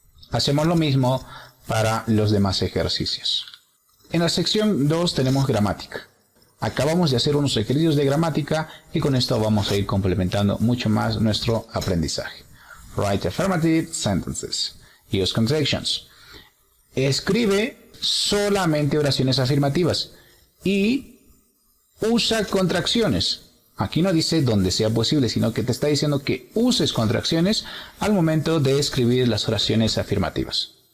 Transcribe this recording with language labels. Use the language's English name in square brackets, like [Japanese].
[Spanish] Hacemos lo mismo para los demás ejercicios. En la sección 2 tenemos gramática. Acabamos de hacer unos ejercicios de gramática y con esto vamos a ir complementando mucho más nuestro aprendizaje. [English] Write affirmative sentences. Use contractions. [Spanish] Escribe solamente oraciones afirmativas y usa contracciones. Aquí no dice donde sea posible, sino que te está diciendo que uses contracciones al momento de escribir las oraciones afirmativas.